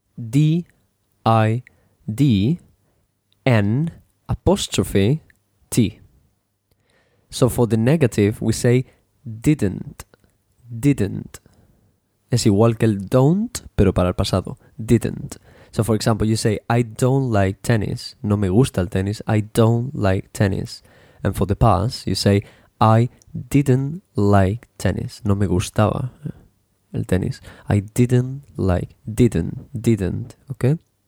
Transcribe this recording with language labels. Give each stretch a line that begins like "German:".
English: D-I-D. D, N, apostrophe, T. So for the negative, we say didn't, didn't.
Spanish: Es igual que el don't, pero para el pasado, didn't.
English: So for example, you say, I don't like tennis.
Spanish: No me gusta el tenis,
English: I don't like tennis. And for the past, you say, I didn't like tennis.
Spanish: No me gustaba el tenis.
English: I didn't like, didn't, okay?